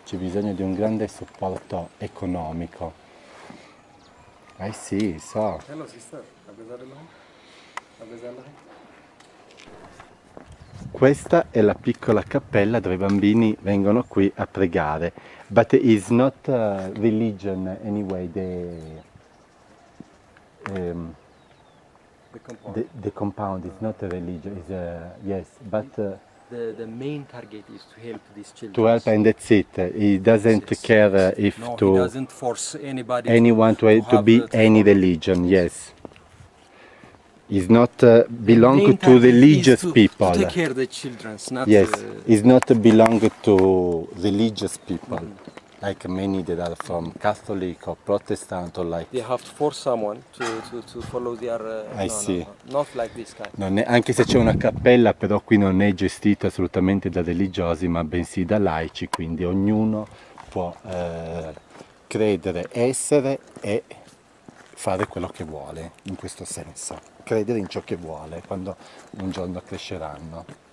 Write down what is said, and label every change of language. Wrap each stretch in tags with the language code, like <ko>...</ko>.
<it>C'è bisogno di un grande supporto economico. Ah sì, so.</it> <en>Hello sister, a besare.</en> <it>Questa è la piccola cappella dove i bambini vengono qui a pregare.</it> <en>But it is not religion anyway, the compound is not a religion, is a yes, but The main target is to help these children. To help and that's it. He doesn't yes, care yes. If no, to... No, he doesn't force anybody anyone to be any religion, yes. He's not belong to religious people. To take care of the children, not... Yes, he's not belong to religious people. Like many that are from Catholic or Protestant or like... They have to force someone to follow their... I see. No, not like this guy.</en> <it>Non è, anche se c'è una cappella, però qui non è gestita assolutamente da religiosi, ma bensì da laici, quindi ognuno può credere, essere e fare quello che vuole, in questo senso. Credere in ciò che vuole, quando un giorno cresceranno.</it>